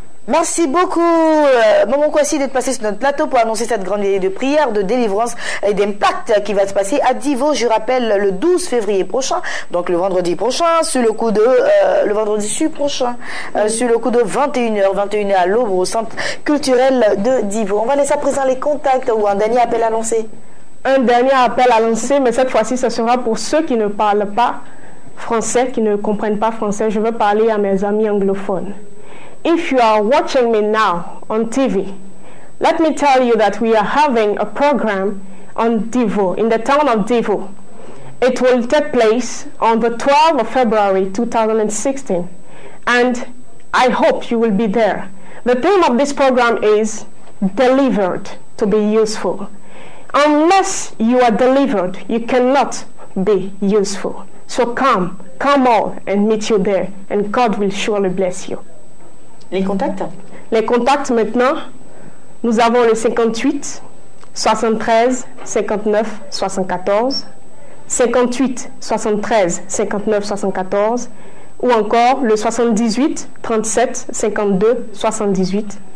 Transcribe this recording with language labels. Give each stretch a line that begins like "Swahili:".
French: Merci beaucoup, Maman Kouassi, d'être passé sur notre plateau pour annoncer cette grande idée de prière, de délivrance et d'impact qui va se passer à Divo, je rappelle, le 12 février prochain, donc le vendredi prochain, sur le coup de, le vendredi suivant prochain, sur le coup de 21h, 21h à l'aube au centre culturel de Divo. On va laisser à présent les contacts ou un dernier appel à lancer. Un dernier appel à lancer, mais cette fois-ci, ce sera pour ceux qui ne parlent pas français, qui ne comprennent pas français. Je veux parler à mes amis anglophones.
English: If you are watching me now on TV, let me tell you that we are having a program on Divo, in the town of Divo. It will take place on the 12th of February 2016, and I hope you will be there. The theme of this program is delivered to be useful. Unless you are delivered, you cannot be useful. So come come on and meet you there, and God will surely bless you.
French: Les contacts? Les contacts maintenant, nous avons le 58 73 59 74, 58 73 59 74, ou encore le 78 37 52 78.